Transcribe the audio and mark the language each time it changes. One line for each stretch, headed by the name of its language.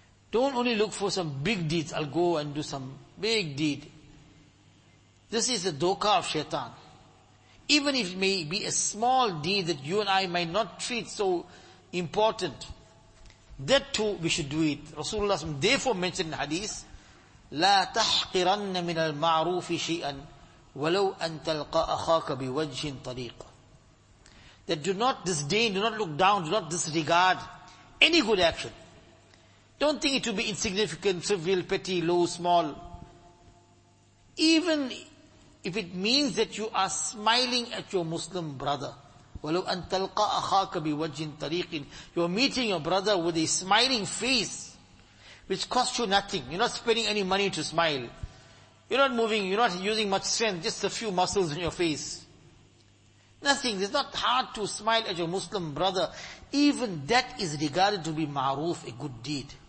English: Don't only look for some big deeds. I'll go and do some big deed. This is the dhoka of shaitan. Even if it may be a small deed that you and I might not treat so important, that too we should do it. Rasulullah therefore mentioned in the hadith,
Arabic: لا تحقرن من المعروف شيئا ولو أن تلقى أخاك بوجه طريق.
English: That do not disdain, do not look down, do not disregard any good action. Don't think it to be insignificant, trivial, petty, low, small. Even if it means that you are smiling at your Muslim brother.
Arabic: وَلَوْ أَن تَلْقَى أَخَاكَ بِوَجْهٍ طَرِيقٍ.
English: You are meeting your brother with a smiling face, which costs you nothing. You're not spending any money to smile. You're not moving, you're not using much strength, just a few muscles in your face. Nothing. It's not hard to smile at your Muslim brother. Even that is regarded to be ma'roof, a good deed.